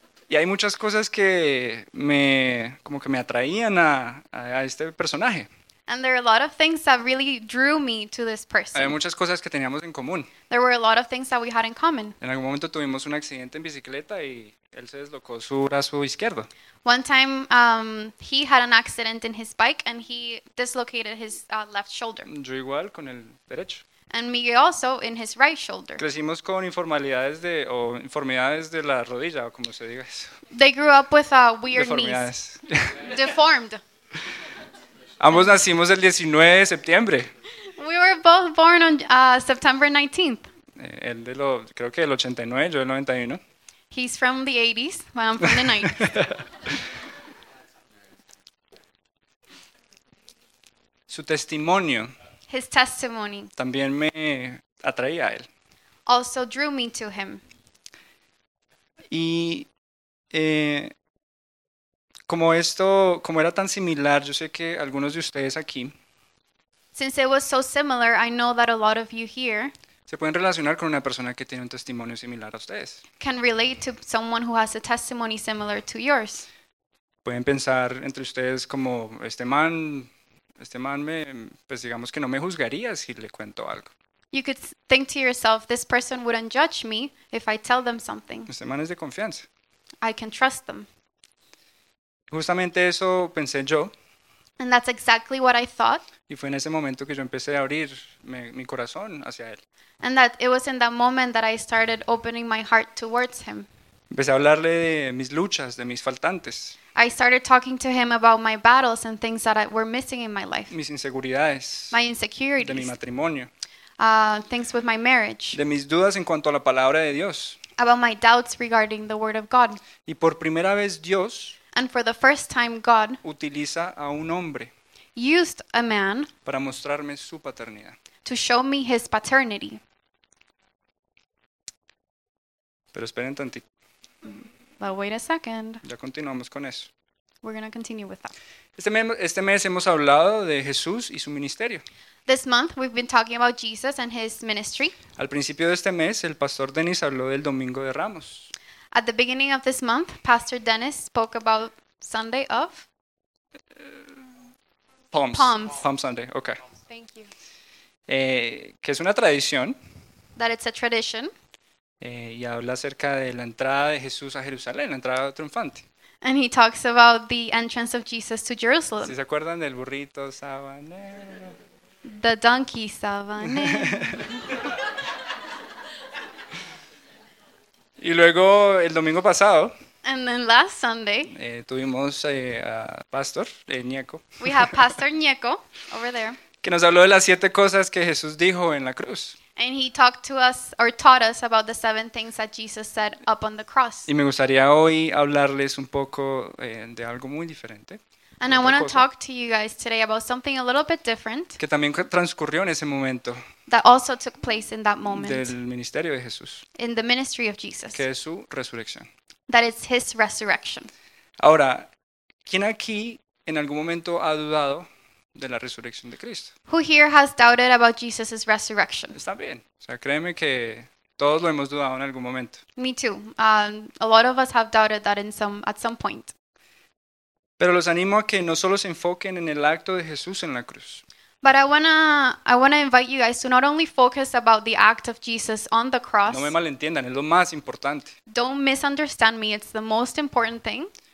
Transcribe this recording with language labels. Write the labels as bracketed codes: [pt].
[es] Y hay muchas cosas que me atraían a este personaje. [en] And there are a lot of things that really drew me to this person. [es] Hay muchas cosas que teníamos en común. [en] There were a lot of things that we had in common. [es] En algún momento tuvimos un accidente en bicicleta y él se deslocó su brazo izquierdo. [en] One time he had an accident in his bike and he dislocated his left shoulder. [es] Yo igual con el derecho. [en] And Miguel also in his right shoulder. [es] Crecimos con informalidades de o informidades de la rodilla o como se diga eso. [en] They grew up with weird knees. Deformed. [es] Ambos nacimos el 19 de septiembre. [en] We were both born on September 19th. [es] Él de lo creo que el 89, yo el 91. [en] He's from the 80s, but I'm from the 90s. [es] Su testimonio. [en] His testimony. [es] También me atraía a él. [en] Also drew me to him. [es] Y como era tan similar, yo sé que algunos de ustedes aquí. [en] Since it was so similar, I know that a lot of you here. [es] Se pueden relacionar con una persona que tiene un testimonio similar a ustedes. [en] Can relate to someone who has a testimony similar to yours. [es] Pueden pensar entre ustedes como este man me, pues digamos que no me juzgaría si le cuento algo. [en] You could think to yourself, this person wouldn't judge me if I tell them something. [es] Este man es de confianza. [en] I can trust them. [es] Justamente eso pensé yo. [en] And that's exactly what I thought. [es] Y fue en ese momento que yo empecé a abrir mi corazón hacia él. [en] And that it was in that moment that I started opening my heart towards him. [es] Empecé a hablarle de mis luchas, de mis faltantes. [en] I started talking to him about my battles and things that were missing in my life. [es] Mis inseguridades. [en] My insecurities. [es] De mi matrimonio. [en] Things with my marriage. [es] De mis dudas en cuanto a la palabra de Dios. [en] About my doubts regarding the word of God. [es] Y por primera vez Dios. [en] And for the first time God. [es] Utiliza a un hombre. [en] Used a man. [es] Para mostrarme su paternidad. [en] to show me his paternity. [es] Pero esperen tantito. [en] But wait a second. [es] Ya continuamos con eso. [en] We're going to continue with that. [es] Este mes hemos hablado de Jesús y su ministerio. [en] This month we've been talking about Jesus and his ministry. [es] Al principio de este mes, el pastor Dennis habló del Domingo de Ramos. [en] At the beginning of this month, Pastor Dennis spoke about Sunday of Palm Sunday. Okay. Thank you. [es] Que es una tradición. [en] That it's a tradition. [es] Y habla acerca de la entrada de Jesús a Jerusalén, la entrada triunfante. [en] And he talks about the entrance of Jesus to Jerusalem. [es] ¿Sí se acuerdan del burrito sabanero? [en] The donkey sabanero. [es] Y luego el domingo pasado. [en] And then last Sunday. [es] Tuvimos a Pastor Nieco. [en] We have Pastor Nieco over there. [es] Que nos habló de las siete cosas que Jesús dijo en la cruz. [en] And he talked to us or taught us about the seven things that Jesus said up on the cross. [es] Y me gustaría hoy hablarles un poco de algo muy diferente. [en] And I want to talk to you guys today about something a little bit different. [es] Que también transcurrió en ese momento. [en] That also took place in that moment. [es] Del ministerio de Jesús. [en] In the ministry of Jesus. [es] Que es su resurrección. [en] That it's his resurrection. [es] Ahora, ¿quién aquí en algún momento ha dudado de la resurrección de Cristo? [en] Who here has doubted about Jesus' resurrection? [es] Está bien. O sea, créeme que todos lo hemos dudado en algún momento. [en] Me too. A lot of us have doubted that at some point. [es] Pero los animo a que no solo se enfoquen en el acto de Jesús en la cruz. [en] But I wanna invite you guys to not only focus about the act of Jesus on the cross. [es] No me malentiendan, es lo más importante. [en] Don't misunderstand me, it's the most important thing.